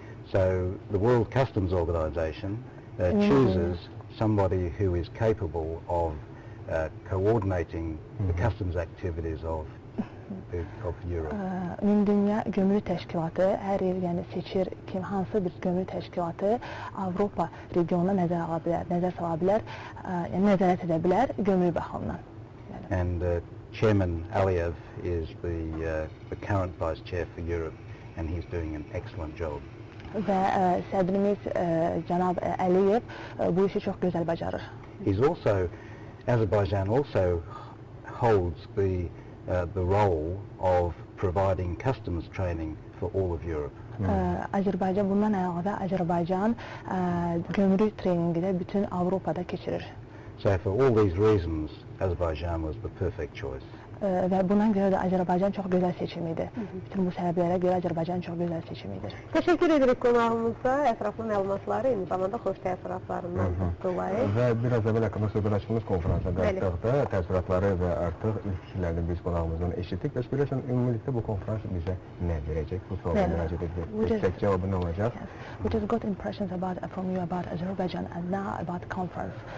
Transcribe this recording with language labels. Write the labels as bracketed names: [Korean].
[English] So the World Customs Organization chooses somebody who is capable of coordinating the customs activities of Europe. [Azerbaijani] Dünya gömrük təşkilatı hər il yəni seçir kim hansı bir gömrük təşkilatı Avropa regionuna nəzər ala bilər, nəzər sala bilər, yəni nəzarət edə bilər gömrük baxımından. [English] And Chairman Aliyev is the current vice chair for Europe and he's doing an excellent job. [Azerbaijani] Və sədrimiz cənab Əliyev bu işi çox gözəl bacarır. [English] He's also Azerbaijan also holds the role of providing customs training for all of Europe. [Azerbaijani] Azerbaijan bundan əlavə Azerbaijan gömrük treyningi də bütün Avropada keçirir. [English] So for all these reasons, Azerbaijan was the perfect choice. [Azerbaijani] Və buna görə də Azərbaycan çox gözəl seçim idi. Bütün bu səbəblərə görə Azərbaycan çox gözəl seçim idi. Təşəkkür edirik qonağımıza. Ətraflı məlumatları, eyni zamanda xoş təəssüratlarından dolayı. Və bir az əvvəl haqqında söhbət açdığımız konferansa qayıtdıqda təəssüratları və artıq ilk fikirlərini biz qonağımızdan eşitdik. Bəs biləsən, ümumilikdə bu konferans bizə nə verəcək? Bu sualı müraciət edəcək. Tək cavabı nə olacaq? [English] We just got impressions from you about Azerbaijan and now about conference.